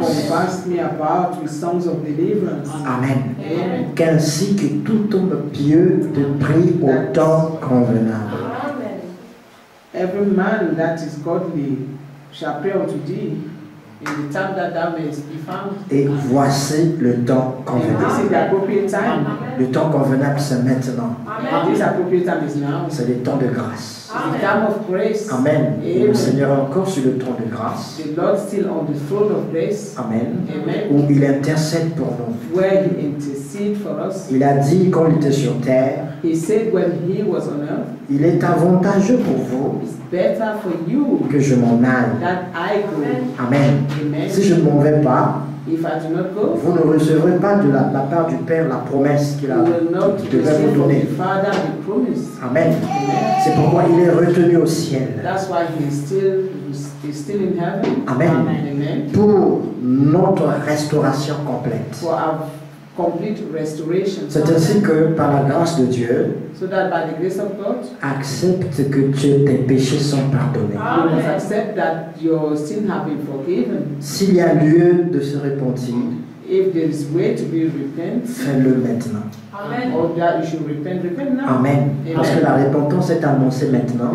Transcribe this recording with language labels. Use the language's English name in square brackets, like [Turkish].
[English] Thou shalt compass me about with songs of deliverance. Amen. Amen. [French] Qu'ainsi que tout homme pieux te prie au temps convenable. Amen. [English] Every man that is godly shall pray unto thee. In the time that thou mayest be found. [French] Et voici le temps convenable. [English] This is the appropriate time. Amen. [French] Le temps convenable, c'est maintenant. Amen. [English] This appropriate time is now. [French] C'est le temps de grâce. [English] The time of grace. Amen. Amen. [French] Le Seigneur est encore sur le temps de grâce. [English] The Lord still on the throne of grace. Amen. Amen. [French] Où il intercède pour nous. [English] Where he intercede for us. [French] Il a dit quand il était sur terre. [English] He said when he was on earth. [French] Il est avantageux pour vous. [English] It's better for you. [French] Que je m'en aille. [English] That I go. Amen. Amen. [French] Si je ne m'en vais pas. [English] If I do not go. [French] Vous ne recevrez pas de la part du Père la promesse qu'il a. Devait vous donner. [English] The Father, the promise. [French] Amen. Amen. C'est pourquoi il est retenu au ciel. [English] That's why he is still. He's still in heaven. Amen. Amen. [French] Pour notre restauration complète. [English] For our complete restoration. [French] C'est ainsi que par la grâce de Dieu. [English] So that by the grace of God. [French] Accepte que tes péchés sont pardonnés. Amen. [English] You must accept that your sins have been forgiven. [French] S'il y a lieu de se repentir. [English] If there is way to be repent. [French] Fais-le maintenant. Amen. [English] Or that you should repent, repent now. Amen. Amen. [French] Parce que la repentance est annoncée maintenant.